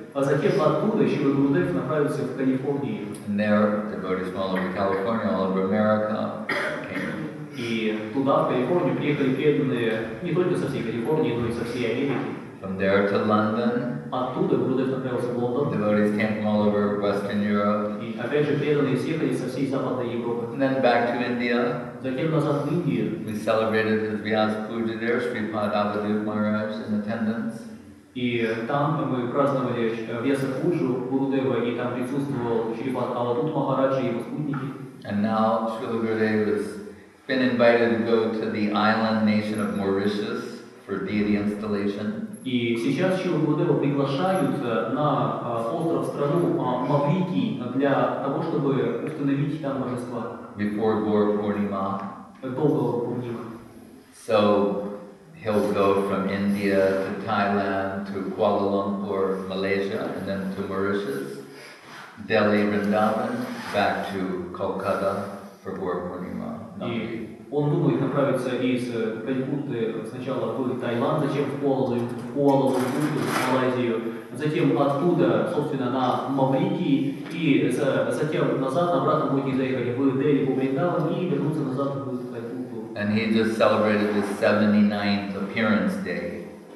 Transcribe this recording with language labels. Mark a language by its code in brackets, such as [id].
[ru] А затем оттуда Шрила Гурудев направился в Калифорнию. [en] And there, devotees from all over California, all over America came. [ru] И туда, в Калифорнию, приехали преданные не только со всей Калифорнии, но и со всей Америки. [en] From there to London. [ru] Оттуда Гурудев направился в Лондон. [en] Devotees came from all over Western Europe. [ru] И опять же преданные съехали со всей Западной Европы. [en] And then back to India. [ru] Затем назад в Индию. [en] We celebrated his Vyas Puja there, Sripad Abhadev Maharaj in attendance. [ru] И там мы праздновали Вьясапуджу Гурудева, и там присутствовал Шрипад Авадут Махараджа и его спутники. [en] And now Srila Gurudev has been invited to go to the island nation of Mauritius for deity installation. [ru] И сейчас Шрила Гурудева приглашают на остров, страну Маврикий, для того, чтобы установить там божества. [en] Before Gaur Purnima. [ru] До Gaur Purnima. [en] So, he'll go from India to Thailand to Kuala Lumpur, Malaysia, and then to Mauritius, Delhi, Vrindavan, back to Kolkata for Gaur Purnima. [ru] Он думает направиться из Калькутты сначала в Таиланд, затем в Куала-Лумпур, в Малайзию, затем оттуда, собственно, на Маврикии, и затем назад, обратно будет заехать в Дели, в Вриндаван, и вернуться назад в Калькутту. [en] And he just celebrated his 79th appearance day.